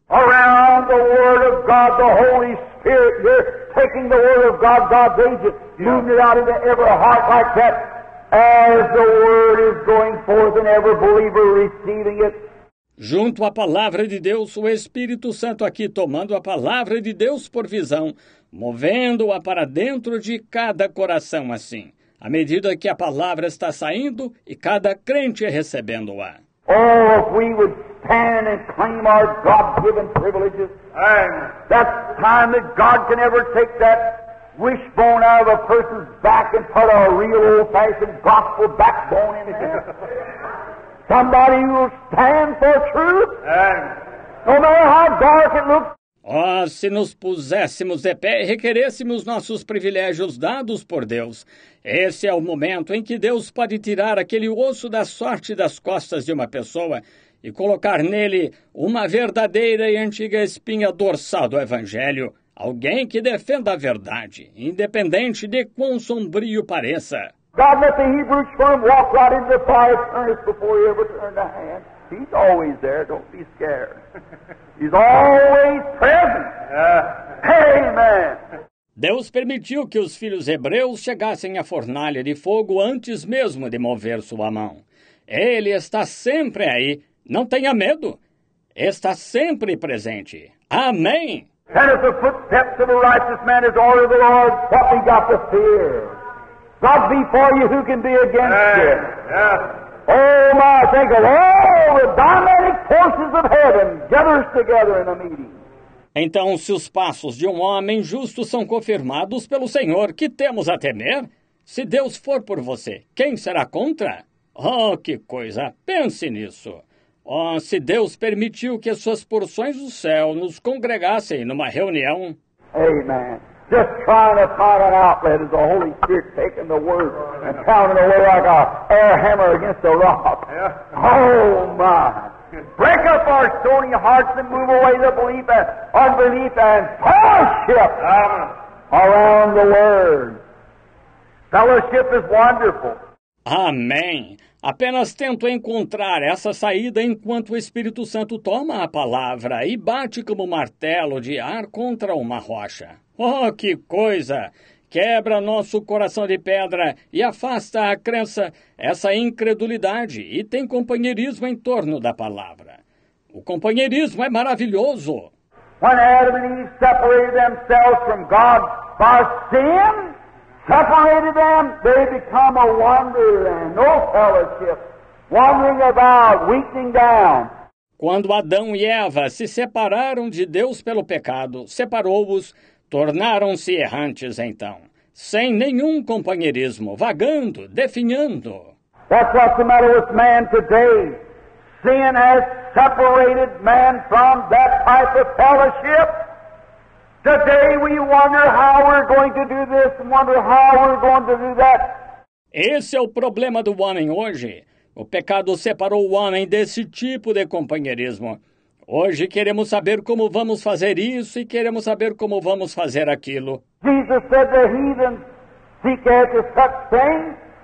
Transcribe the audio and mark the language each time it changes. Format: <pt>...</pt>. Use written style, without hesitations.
<en>Around the Word of God, the Holy Spirit, you're taking the Word of God, God's agent, moving it out into every heart like that. As the word is going forth and every believer receiving it.</en> <pt>Junto à palavra de Deus, o Espírito Santo aqui tomando a palavra de Deus por visão, movendo-a para dentro de cada coração assim, à medida que a palavra está saindo e cada crente recebendo-a.</pt> <en>Oh, if we would stand and claim our God-given privileges, that's time that God can ever take that wishbone out of a person's back and put a real old-fashioned gospel backbone in it. Somebody who will stand for truth. No matter how dark it looks.</en> <pt>Oh, se nos puséssemos de pé e requeréssemos nossos privilégios dados por Deus, esse é o momento em que Deus pode tirar aquele osso da sorte das costas de uma pessoa e colocar nele uma verdadeira e antiga espinha dorsal do Evangelho. Alguém que defenda a verdade, independente de quão sombrio pareça.</pt> <en>God let the Hebrew sperm walk right into the fire furnace before he ever turned a hand. He's always there, don't be scared. He's always present. Amen.</en> <pt>Deus permitiu que os filhos hebreus chegassem à fornalha de fogo antes mesmo de mover sua mão. Ele está sempre aí. Não tenha medo. Está sempre presente. Amém.</pt> <en>And if the footsteps of a righteous man is all of the Lord, what we got to fear? God be for you, who can be against you? Yeah. Oh, my, think of all the dynamic forces of heaven gathers together in a meeting.</en> <pt>Então, se os passos de um homem justo são confirmados pelo Senhor, que temos a temer? Se Deus for por você, quem será contra? Oh, que coisa! Pense nisso! Oh, se Deus permitiu que as suas porções do céu nos congregassem numa reunião.</pt> <en>Amen. Just trying to find an outlet as the Holy Spirit taking the word and pounding away like a air hammer against a rock. Oh my. Break up our stony hearts and move away the belief and unbelief and fellowship around the word. Fellowship is wonderful.</en> <pt>Amém. Apenas tento encontrar essa saída enquanto o Espírito Santo toma a palavra e bate como martelo de ar contra uma rocha. Oh, que coisa! Quebra nosso coração de pedra e afasta a crença, essa incredulidade, e tem companheirismo em torno da palavra. O companheirismo é maravilhoso! Quando Adam e Eve separaram</pt> <en>themselves from God by sin, separated them, they become a wanderland, no fellowship, wandering about, weakening down.</en> <pt>Quando Adão e Eva se separaram de Deus pelo pecado, separou-os, tornaram-se errantes então, sem nenhum companheirismo, vagando, definhando.</pt> <en>That's what's the matter with man today. Sin has separated man from that type of fellowship. Today we wonder how we're going to do this and wonder how we're going to do that.</en> <pt>Esse é o problema do homem hoje. O pecado separou o homem desse tipo de companheirismo. Hoje queremos saber como vamos fazer isso e queremos saber como vamos fazer aquilo.</pt> <en>Jesus said the heathen seek after such things.</en>